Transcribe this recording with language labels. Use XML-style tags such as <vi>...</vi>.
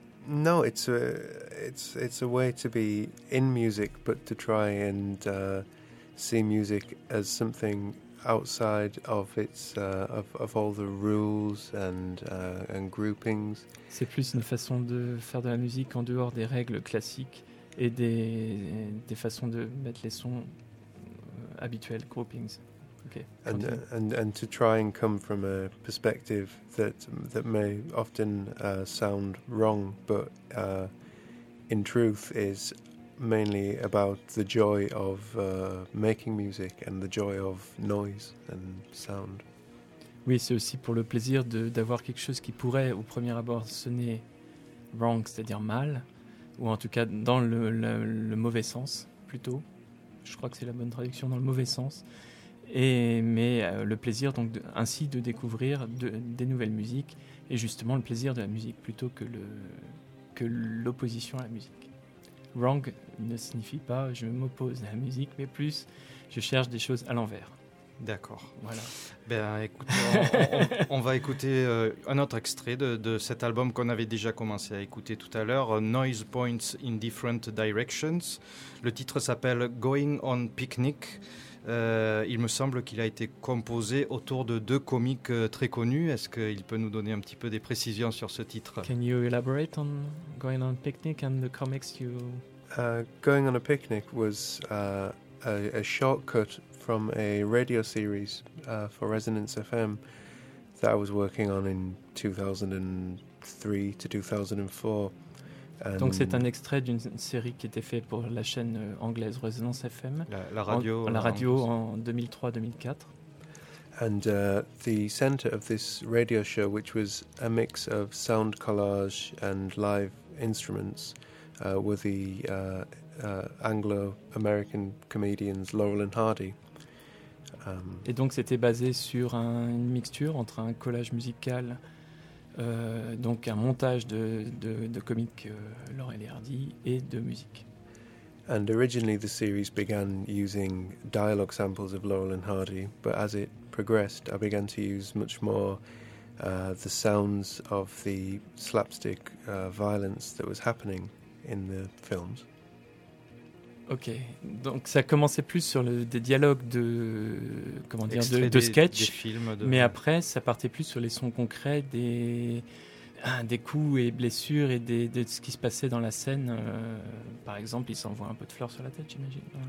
<en>No, it's a way to be in music, but to try and see music as something outside of its of all the rules and groupings.</en> <fr>C'est plus une façon de faire de la musique en dehors des règles classiques et des façons de mettre les sons habituels, groupings.</fr> <en>Okay. And to try and come from a perspective that may often sound wrong, but in truth is mainly about the joy of making music and the joy of noise and sound.</en> <fr>Oui, c'est aussi pour le plaisir d'avoir quelque chose qui pourrait au premier abord sonner wrong, c'est-à-dire mal, ou en tout cas dans le mauvais sens plutôt. Je crois que c'est la bonne traduction, dans le mauvais sens. Mais le plaisir donc de découvrir des nouvelles musiques, et justement le plaisir de la musique plutôt que l'opposition à la musique. Wrong ne signifie pas je m'oppose à la musique, mais plus je cherche des choses à l'envers. D'accord. Voilà. Ben écoute, on va écouter un autre extrait de cet album qu'on avait déjà commencé à écouter tout à l'heure, Noise Points in Different Directions. Le titre s'appelle Going on Picnic. Il me semble qu'il a été composé autour de deux comiques très connus. Est-ce qu'il peut nous donner un petit peu des précisions sur ce titre?</fr> <en>Can you elaborate on Going on Picnic and the comics you... Going on a Picnic was a shortcut from a radio series for Resonance FM that I was working on in 2003 to 2004.</en> <fr>Donc c'est un extrait d'une série qui était faite pour la chaîne anglaise Resonance FM, la radio en 2003-2004.</fr> <en>And the center of this radio show, which was a mix of sound collage and live instruments, were the Anglo-American comedians Laurel and Hardy.</en> <fr>Et donc c'était basé sur une mixture entre un collage musical. Donc un montage de comiques Laurel et Hardy et de musique.</fr> <en>And originally the series began using dialogue samples of Laurel and Hardy, but as it progressed, I began to use much more the sounds of the slapstick violence that was happening in the films.</en> <fr>Ok, donc ça commençait plus sur des dialogues de, comment dire, de sketch, des films de... mais après ça partait plus sur les sons concrets des coups et blessures et de ce qui se passait dans la scène. Par exemple, il s'envoie un pot de fleurs sur la tête, j'imagine.</fr>